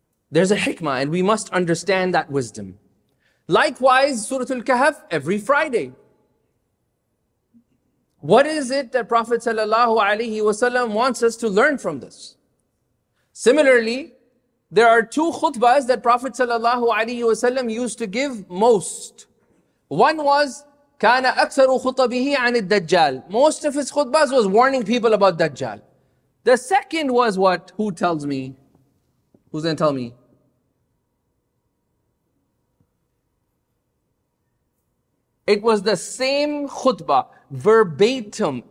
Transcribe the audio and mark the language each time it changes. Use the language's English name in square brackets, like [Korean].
[English] There's a hikmah and we must understand that wisdom. Likewise, Surah Al-Kahf, every Friday. What is it that Prophet ﷺ wants us to learn from this? Similarly, there are two khutbahs that Prophet ﷺ used to give most. One was, [Arabic] كَانَ أَكْثَرُ خُطَبِهِ عَنِ الدَّجَّالِ. [English] Most of his khutbahs was warning people about Dajjal. The second was what? Who tells me? Who's going to tell me? It was the same khutbah, verbatim.